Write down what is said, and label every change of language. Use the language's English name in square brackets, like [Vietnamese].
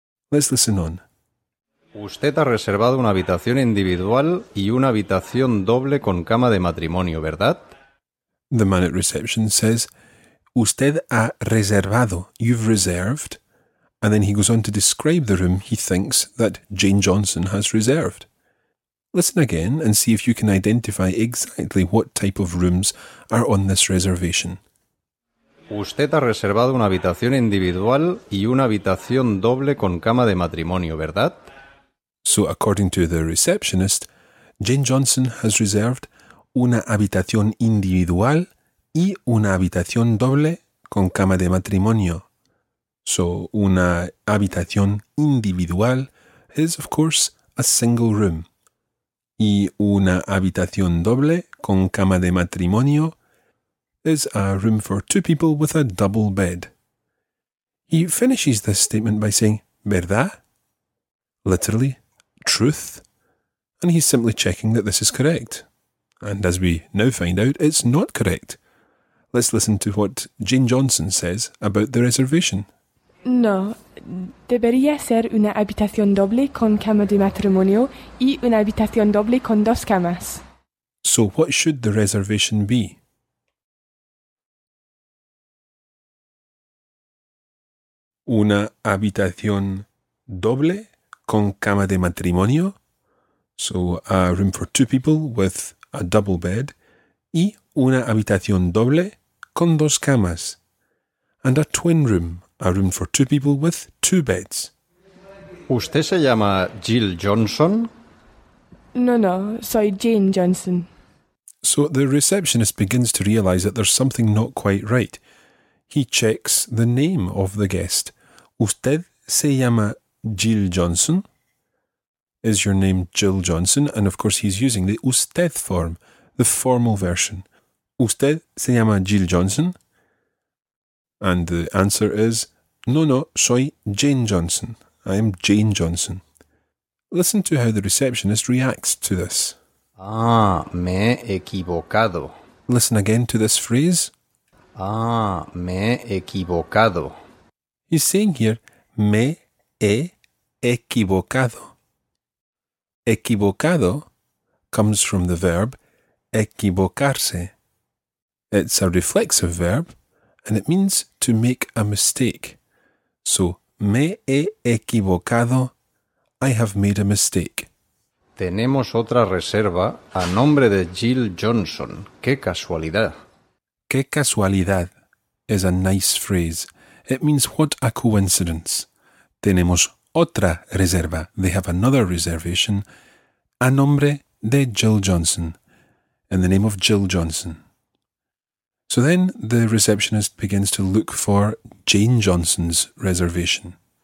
[English] Let's listen on. [Spanish] Usted ha reservado una habitación individual y una habitación doble con cama de matrimonio, ¿verdad? [English] The man at reception says, [Spanish] Usted ha reservado, [English] you've reserved. And then he goes on to describe the room he thinks that Jane Johnson has reserved. Listen again and see if you can identify exactly what type of rooms are on this reservation. [Spanish] Usted ha reservado una habitación individual y una habitación doble con cama de matrimonio, ¿verdad? [English] So, according to the receptionist, Jane Johnson has reserved [Spanish] una habitación individual y una habitación doble con cama de matrimonio. [English] So, [Spanish] una habitación individual [English] is, of course, a single room. [Spanish] Y una habitación doble con cama de matrimonio [English] is a room for two people with a double bed. He finishes this statement by saying, ¿Verdad? Literally, truth. And he's simply checking that this is correct. And as we now find out, it's not correct. Let's listen to what Jane Johnson says about the reservation. [Spanish] No, debería ser una habitación doble con cama de matrimonio y una habitación doble con dos camas. [English] So what should the reservation be? [Spanish] Una habitación doble con cama de matrimonio. [English] So a room for two people with a double bed. [Spanish] Y una habitación doble con dos camas. [English] And a twin room. A room for two people with two beds. [Spanish] ¿Usted se llama Jill Johnson? No, no, soy Jane Johnson. [English] So the receptionist begins to realize that there's something not quite right. he checks the name of the guest. [Spanish] ¿Usted se llama Jill Johnson? [English] Is your name Jill Johnson? And of course, he's using the usted form, the formal version. [Spanish] ¿Usted se llama Jill Johnson? [English] And the answer is, [Spanish] no, no, soy Jane Johnson. [English] I am Jane Johnson. Listen to how the receptionist reacts to this. [Spanish] Ah, me he equivocado. [English] Listen again to this phrase. [Spanish] Ah, me he equivocado. [English] He's saying here, [Spanish] me he equivocado. [English] Equivocado comes from the verb equivocarse. It's a reflexive verb and it means to make a mistake. So, [Spanish] me he equivocado, [English] I have made a mistake. [Spanish] Tenemos otra reserva a nombre de Jill Johnson. ¡Qué casualidad! ¡Qué casualidad! [English] Is a nice phrase. It means what a coincidence. [Spanish] Tenemos otra reserva. [English] They have another reservation. [Spanish] A nombre de Jill Johnson. [English] In the name of Jill Johnson. So then the receptionist begins to look for Jane Johnson's reservation.